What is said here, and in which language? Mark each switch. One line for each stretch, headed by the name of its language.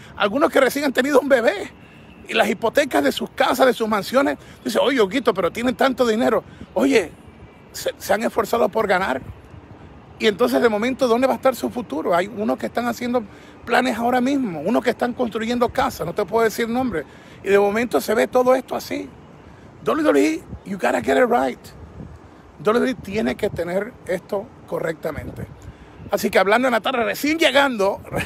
Spanish: Algunos que recién han tenido un bebé. Y las hipotecas de sus casas, de sus mansiones. Dice, oye, Huguito, pero tienen tanto dinero. Oye, se han esforzado por ganar. Y entonces, de momento, ¿dónde va a estar su futuro? Hay unos que están haciendo planes ahora mismo. Unos que están construyendo casas. No te puedo decir nombre. Y de momento se ve todo esto así.
English: WWE, you gotta get it right.
Spanish: WWE tiene que tener esto correctamente. Así que hablando en la tarde, recién llegando.